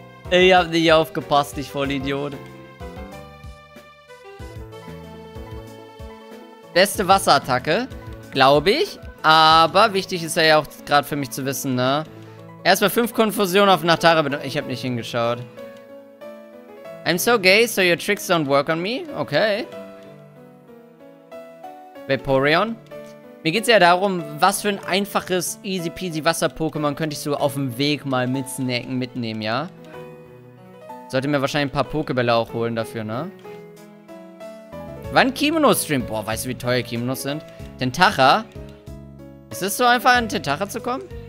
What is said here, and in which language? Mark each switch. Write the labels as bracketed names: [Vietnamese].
[German] Ich hab nicht aufgepasst, ich Vollidiot. Beste Wasserattacke, glaube ich. Aber wichtig ist ja auch gerade für mich zu wissen, ne? Erstmal 5 Konfusionen auf Nachtara. Ich hab nicht hingeschaut. [English] I'm so gay, so your tricks don't work on me. Okay. Vaporeon. [German] Mir geht's ja darum, was für ein einfaches, easy peasy Wasser-Pokémon könnte ich so auf dem Weg mal mitsnacken, mitnehmen, ja? Sollte mir wahrscheinlich ein paar Pokebälle auch holen dafür, ne? Wann Kimono-Stream? Boah, weißt du, wie teuer Kimonos sind? Tentacha? Ist es so einfach, an Tentacha zu kommen?